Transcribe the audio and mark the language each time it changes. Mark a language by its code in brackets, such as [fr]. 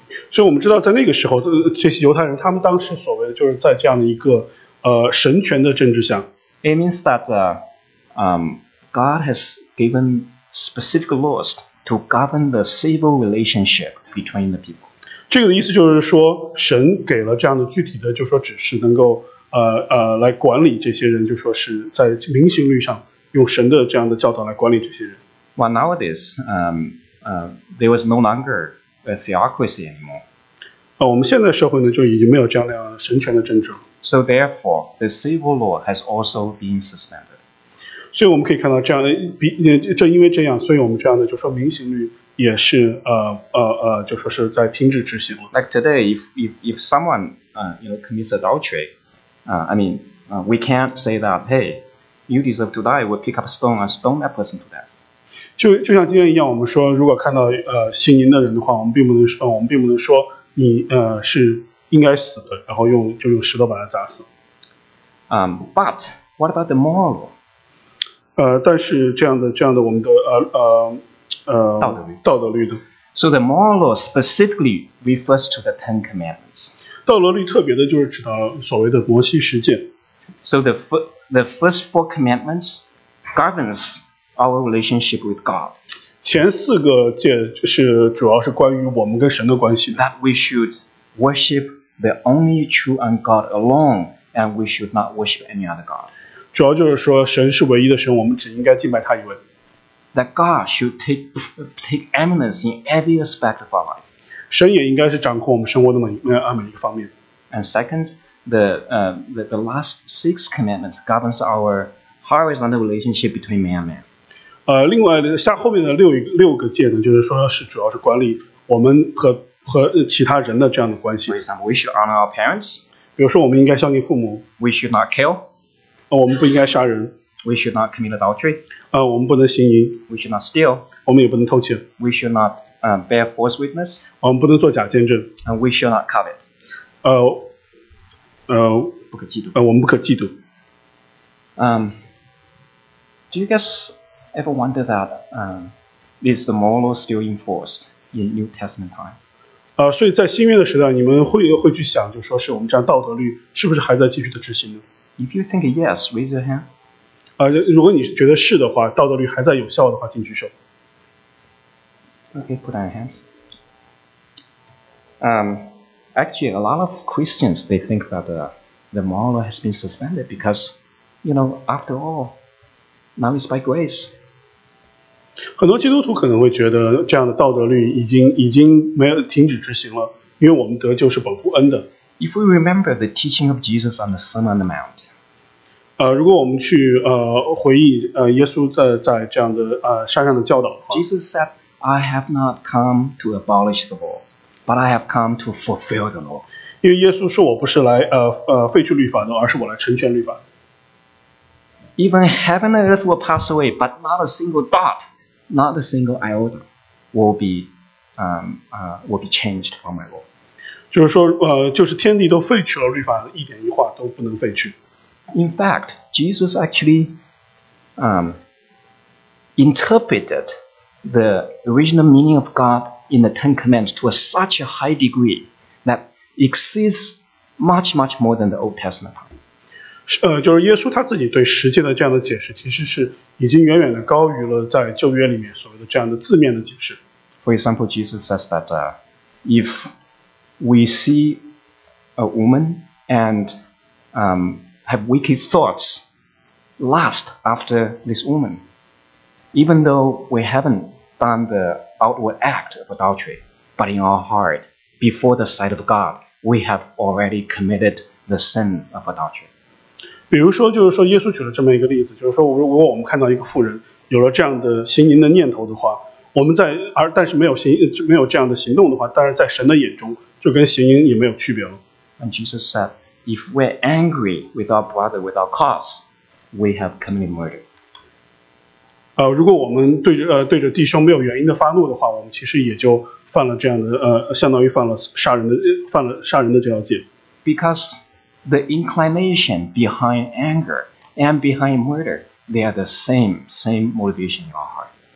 [zh] 所以我们知道在那个时候这些犹太人他们当时所谓的就是在这样的一个神权的政治下。 [en] It means that God has given specific laws to govern the civil relationship between the people. [zh] 这个意思就是说神给了这样的具体的就是说指示能够来管理这些人，就是说是在民刑律上用神的这样的教导来管理这些人。 [en] Well, nowadays, there was no longer... a theocracy anymore. [zh] 我们现在社会呢就已经没有这样的神权的政治了。 [en] So therefore, the civil law has also been suspended. [zh] 所以我们可以看到这样的，正因为这样，所以我们这样的就说民刑律也是就说是在停止执行了。 [en] Like today, if someone commits adultery, we can't say that, hey, you deserve to die, we'll pick up a stone and stone that person to death. [zh] 就像今天一样，我们说如果看到行淫的人的话，我们并不能说你是应该死的，然后用石头把他砸死。 [en] But what about the moral law? [zh] 但是这样的我们的道德律的。 [en] So the moral law specifically refers to the Ten Commandments. [zh] 道德律特别的就是指到所谓的摩西十诫。 [en] So the first four commandments governs. Our relationship with God. [zh] 前四个诫是主要是关于我们跟神的关系。 [en] That we should worship the only true and God alone, and we should not worship any other God. [zh] 主要就是说神是唯一的神，我们只应该敬拜他一位。 [en] That God should take eminence in every aspect of our life. [zh] 神也应该是掌控我们生活的每一个方面。 [en] And second, the last six commandments governs our horizontal relationship between man and man. [zh] 另外下后面的六个戒呢，就是说是主要是管理我们和其他人的这样的关系。 [en] For example, we should honor our parents. [zh] 比如说我们应该孝敬父母。 [en] We should not kill. [zh] 我们不应该杀人。 [en] We should not commit adultery. [zh] 我们不能行淫。 [en] We should not steal. [zh] 我们也不能偷窃。 [en] We should not bear false witness. [zh] 我们不能做假见证。 [en] And we should not covet. [zh] 不可嫉妒。我们不可嫉妒。 [en] Do you guess... Ever wonder that is the moral law still enforced in New Testament time? [zh] 所以在新约的时代，你们会去想，就说是我们这样道德律是不是还在继续的执行呢 [en] ？If you think yes, raise your hand. [zh] 如果你觉得是的话，道德律还在有效的话，请举手。 [en] Okay, put down your hands. Actually, a lot of Christians they think that the moral law has been suspended because, you know, after all. Now it's by grace. [zh] 很多基督徒可能会觉得这样的道德律已经没有停止执行了，因为我们得救是本乎恩的。 [en] If we remember the teaching of Jesus on the Sermon on the Mount. [zh] 如果我们去回忆耶稣在这样的山上的教导的话。 [en] Jesus said, "I have not come to abolish the law." But I have come to fulfill the law. [zh] 因为耶稣说我不是来废去律法的，而是我来成全律法。 [en] Even heaven and earth will pass away, but not a single dot, not a single iota will be changed from my law. [zh] 就是说就是天地都废去了，律法一点一画都不能废去。 [en] In fact, Jesus actually interpreted the original meaning of God in the Ten Commandments to a such a high degree that exceeds much, much more than the Old Testament. [zh] 就是耶稣他自己对十诫的这样的解释其实是已经远远的高于了在旧约里面所谓的这样的字面的解释。 [en] For example, Jesus says that if we see a woman and have wicked thoughts, lust after this woman, even though we haven't done the outward act of adultery, but in our heart, before the sight of God, we have already committed the sin of adultery. [zh] 比如说就是说耶稣举了这么一个例子，就是说如果我们看到一个妇人有了这样的行淫的念头的话，我们在而但是没有行没有这样的行动的话，但是在神的眼中就跟行淫也没有区别了。 [en] And Jesus said, if we're angry with our brother without cause, we have committed murder. [zh] 如果我们对着弟兄没有原因的发怒的话，我们其实也就犯了这样的相当于犯了杀人的这条戒。 [en] Because the inclination behind anger and behind murder, they are the same motivation in our heart.